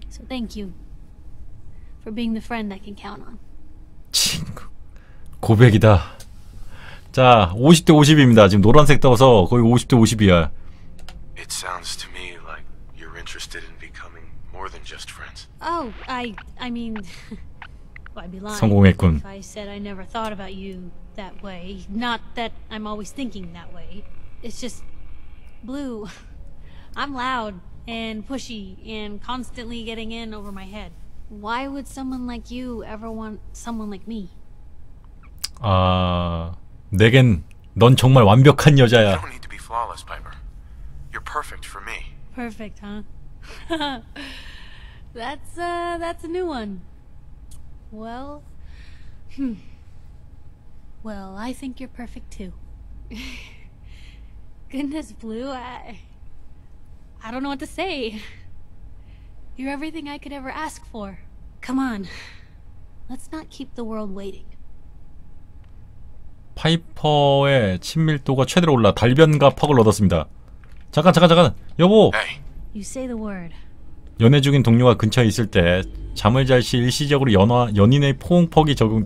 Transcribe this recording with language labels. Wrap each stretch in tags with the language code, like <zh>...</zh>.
<en>So thank you for being the friend I can count on.</en> <ko>친구. 고백이다. 자, 50대 50입니다. 지금 노란색 떠서 거의 50대 50이야.</ko> <en>It sounds to me like you're interested in becoming more than just friends. Oh, I mean, I'd be lying.</en> <ko>성공했군.</ko> <en>If I said I never thought about you that way. Not that I'm always thinking that way. It's just blue. I'm loud and pushy and constantly getting in over my head. Why would someone like you ever want someone like me?</en> <ko>아, 내겐 넌 정말 완벽한 여자야.</ko> <en>You don't need to be flawless, Piper. You're perfect for me. Perfect, huh? that's a new one. Well, well, I think you're perfect too. Goodness, Blue, I don't know what to say. You're everything I could ever ask for. Come on, let's not keep the world waiting.</en> <ko>파이퍼의 친밀도가 최대로 올라 달변가 퍽을 얻었습니다. 잠깐 여보!</ko> <en>You say the word.</en> <ko>연애 중인 동료가 근처에 있을 때 잠을 잘 시 일시적으로 연인의 포옹퍽이 적응...</ko>